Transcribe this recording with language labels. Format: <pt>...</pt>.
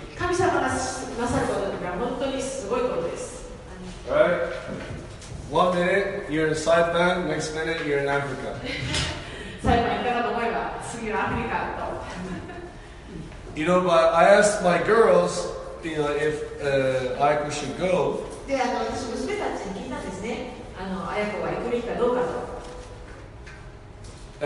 <ja>神様がなさることは本当にすごいことです。</ja> <en>Right? One minute you're in Saipan, next minute you're in Africa.</en> <ja>Saipan からの声は次のアフリカだと。</ja> <en>You know, but I asked my girls, you know, if Ayako should go.</en> <ja>で、私娘たちに聞いたんですね。Ayako は行くべきかどうかと。</ja>